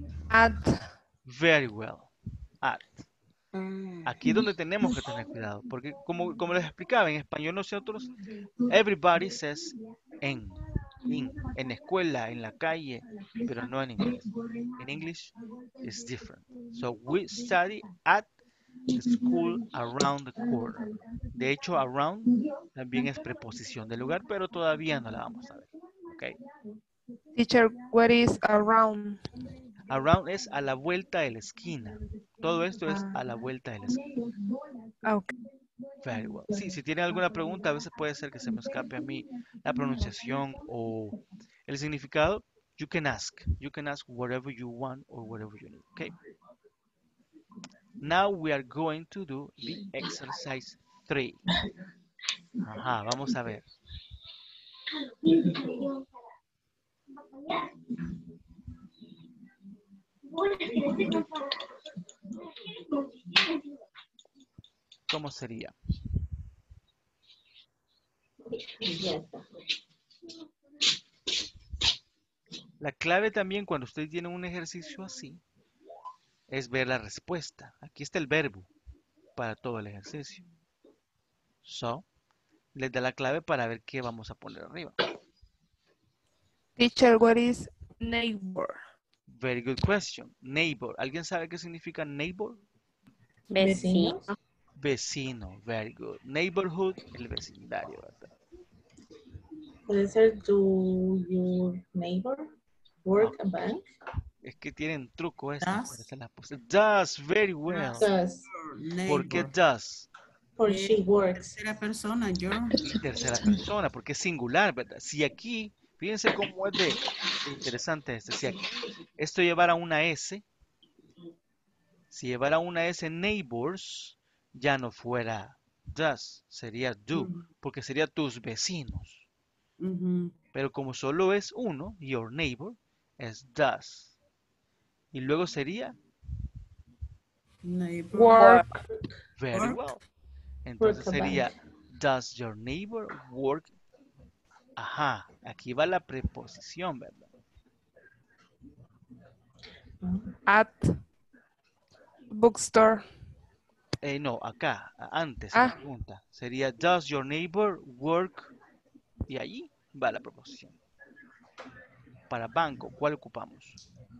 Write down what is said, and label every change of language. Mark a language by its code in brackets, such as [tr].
[en] At. Very well. At. [es] Aquí es donde tenemos que tener cuidado, porque como les explicaba en español nosotros, [en] everybody says [es] en. En escuela, en la calle, pero no en inglés. En inglés es different. [en] So we study at the school around the corner. [es] De hecho, around también es preposición de lugar, pero todavía no la vamos a ver. Okay. [en] Teacher, what is around? [es] Around es a la vuelta de la esquina. Todo esto es a la vuelta de la esquina. Okay. [en] Very well. [es] Sí, si tienen alguna pregunta, a veces puede ser que se me escape a mí la pronunciación o el significado. [en] You can ask. You can ask whatever you want or whatever you need. Okay. Now we are going to do the exercise 3. [es] Ajá, vamos a ver. ¿Cómo sería? La clave también cuando usted tiene un ejercicio así es ver la respuesta. Aquí está el verbo para todo el ejercicio. So, les da la clave para ver qué vamos a poner arriba. [en] Teacher, what is neighbor? Very good question. Neighbor. [es] ¿Alguien sabe qué significa neighbor? Vecino. Vecino, [en] very good. [es] Neighborhood, el vecindario, ¿verdad? Puede ser [en] to your neighbor, work, a bank. [es] Es que tienen truco eso. [en] Does, very well. Does. Neighbor. [es] ¿Por qué does? [en] For she works. [es] Tercera persona, yo. Tercera persona, porque es singular, ¿verdad? Si aquí, fíjense cómo es de interesante este. Si aquí esto llevara una S, si llevara una S, neighbors, ya no fuera does, sería do, porque sería tus vecinos. Pero como solo es uno, [en] your neighbor, [es] es does. Y luego sería [en] neighbor. Work. Very work. Well. [es] Entonces sería, [en] does your neighbor work? [es] Ajá, aquí va la preposición, ¿verdad? [en] At bookstore. [es] No, acá, antes la pregunta. Sería, [en] does your neighbor work? [es] Y allí va la proposición. Para banco, ¿cuál ocupamos?